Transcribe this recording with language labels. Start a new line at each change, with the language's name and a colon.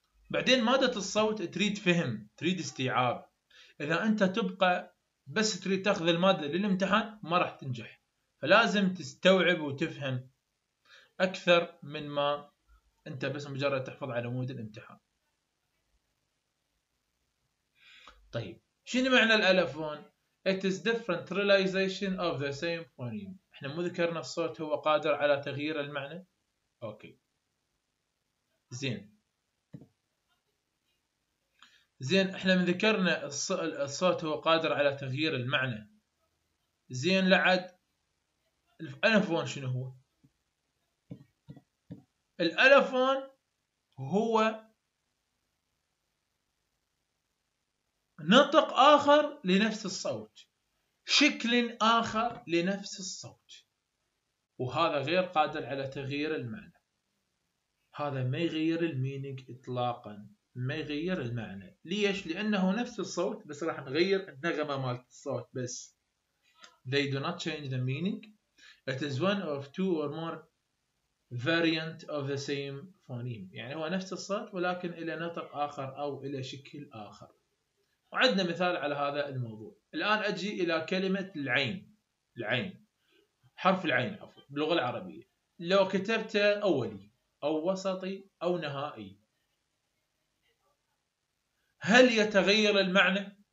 Arabic: بعدين مادة الصوت تريد فهم، تريد استيعاب. إذا أنت تبقى بس تريد تأخذ المادة للامتحان ما راح تنجح، فلازم تستوعب وتفهم أكثر من ما أنت بس مجرد تحفظ على مود الامتحان. طيب شنو معنى الألفون؟
English: It is different realization of the same phoneme.
Arabic: إحنا مو ذكرنا الصوت هو قادر على تغيير المعنى؟ أوكي زين زين، إحنا من ذكرنا الصوت هو قادر على تغيير المعنى زين، لعد الألفون شنو هو؟ الألفون هو نطق آخر لنفس الصوت، شكل آخر لنفس الصوت، وهذا غير قادر على تغيير المعنى. هذا ما يغير المينينج إطلاقا، ما يغير المعنى. ليش؟ لأنه نفس الصوت بس راح نغير النغمة مال الصوت بس.
English: They do not change the meaning. It is one of two or more variant of the same phoneme.
Arabic: يعني هو نفس الصوت ولكن إلى نطق آخر أو إلى شكل آخر. وعندنا مثال على هذا الموضوع. الآن أجي إلى كلمة العين. العين، حرف العين عفوا باللغة العربية، لو كتبت أولي أو وسطي أو نهائي، هل يتغير المعنى؟